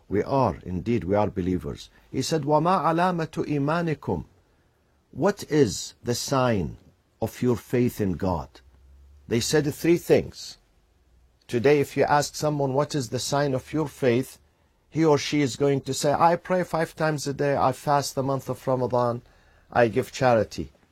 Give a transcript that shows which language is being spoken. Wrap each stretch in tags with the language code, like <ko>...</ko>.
<en>We are, indeed, we are believers. He said,</en> <ar>وَمَا عَلَامَةُ إِيمَانِكُمْ?</ar> <en>What is the sign of your faith in God? They said three things. Today, if you ask someone what is the sign of your faith, he or she is going to say, I pray five times a day, I fast the month of Ramadan, I give charity.</en>